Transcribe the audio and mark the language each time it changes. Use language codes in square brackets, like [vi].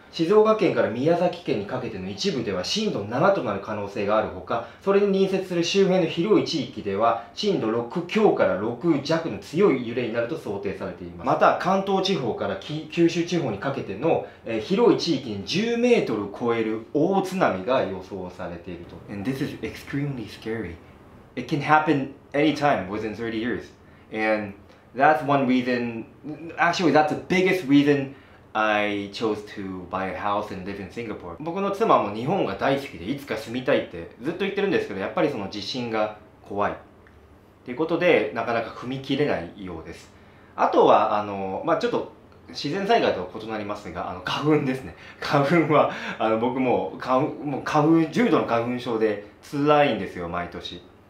[ja] 静岡県から宮崎県にかけての一部では震度7となる可能性があるほか、それに隣接する周辺の広い地域では震度6強から6弱の強い揺れになると想定されています。また、関東地方から九州地方にかけての、広い地域に10メートル超える大津波が予想されていると。 [en] And this is extremely scary. It can happen anytime within 30 years. And that's one reason, actually that's the biggest reason I chose to buy a house and live in Singapore. [ja] 僕の妻も日本が大好きでいつか住みたいってずっと言ってるんですけど、やっぱりその地震が怖いっていうことでなかなか踏み切れないようです。あとはまあ、ちょっと自然災害とは異なりますが、花粉ですね。花粉は僕も花粉重度の花粉症で辛いんですよ、毎年。